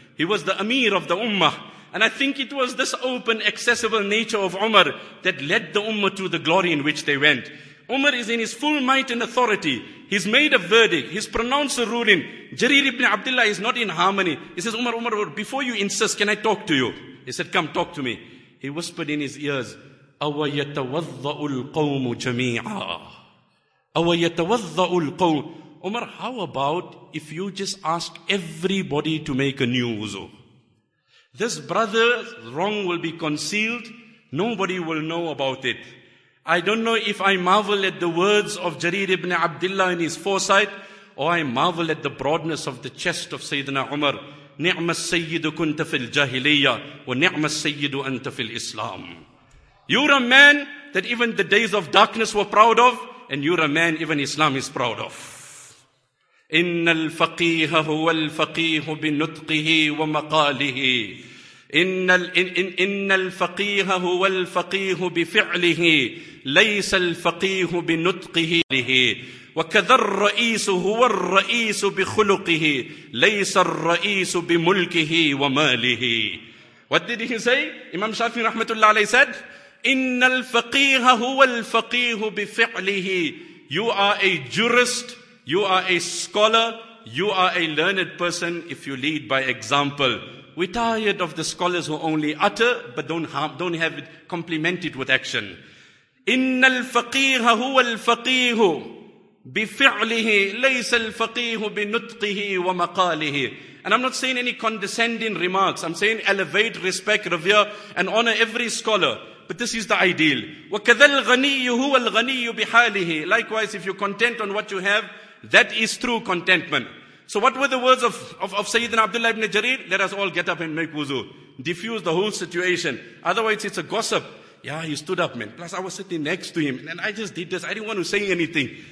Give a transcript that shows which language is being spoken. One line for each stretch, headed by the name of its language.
English: He was the Amir of the Ummah. And I think it was this open, accessible nature of Umar that led the Ummah to the glory in which they went. Umar is in his full might and authority. He's made a verdict. He's pronounced a ruling. Jarir ibn Abdullah is not in harmony. He says, Umar, before you insist, can I talk to you? He said, come, talk to me. He whispered in his ears,
Arabic: أَوَ يَتَوَضَّعُ الْقَوْمُ جَمِيعًا أَوَ يَتَوَضَّعُ الْقَوْمُ.
English: Umar, how about if you just ask everybody to make a new wuzu? This brother's wrong will be concealed. Nobody will know about it. I don't know if I marvel at the words of Jarir ibn Abdullah in his foresight, or I marvel at the broadness of the chest of Sayyidina Umar.
Arabic: نِعْمَ السَّيِّدُ كُنْتَ فِي الْجَاهِلِيَّةِ وَنِعْمَ السَّيِّدُ أَنْتَ فِي الْإِسْلَامِ. You're a man that even the days of darkness were proud of, and you're a man even Islam is proud of. إِنَّ الْفَقِيهَ هُوَ الْفَقِيهُ بِنُطْقِهِ وَمَقَالِهِ. إن الفقيه هو الفقيه بفعله ليس الفقيه بنطقه وكذا الرئيس هو الرئيس بخلقه ليس الرئيس بملكه وماله.
English: What did he say? Imam Shafi rahmatullah alayhi said,
Arabic: إن الفقيه هو الفقيه بفعله.
English: You are a jurist, you are a scholar, you are a learned person if you lead by example. We're tired of the scholars who only utter but don't have it complemented with action.
Arabic: إن الفقيه هو الفقيه بفعله ليس الفقيه بنطقه ومقاله.
English: And I'm not saying any condescending remarks. I'm saying elevate, respect, revere and honor every scholar. But this is the ideal.
Arabic: وكذا الغني هو الغني بحاله.
English: Likewise, if you're content on what you have, that is true contentment. So what were the words of Sayyidina Abdullah ibn Jarir? Let us all get up and make wuzu. Diffuse the whole situation. Otherwise, it's a gossip. Yeah, he stood up, man. Plus, I was sitting next to him. And I just did this. I didn't want to say anything.